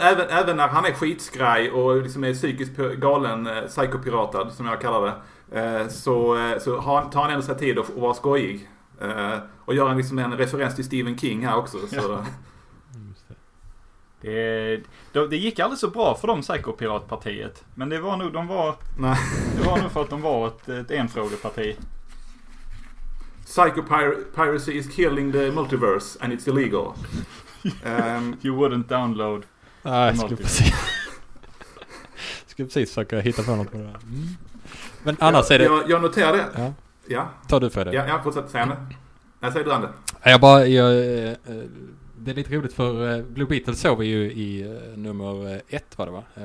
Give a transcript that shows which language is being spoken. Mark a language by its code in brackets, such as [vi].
[sv] även när han är skitskraj och liksom är psykiskt galen psykopiratad, som jag kallar det, så tar han ändå sig tid att vara skojig, och gör han liksom en referens till Stephen King här också, så. Det gick aldrig så bra för de psykopiratpartiet, men det var nog det var nog för att de var ett enfrågeparti. [en] Psychopiracy is killing the multiverse and it's illegal. You wouldn't download. [sv] Jag skulle precis försöka hitta på något på det här. Men annars är det... Jag noterar det. Ja. Ja. Ta du för det. Ja, jag fortsätter säga det. Jag säger du, Ande. Det är lite roligt, för Blue Beetle sover ju i nummer 1, var det va?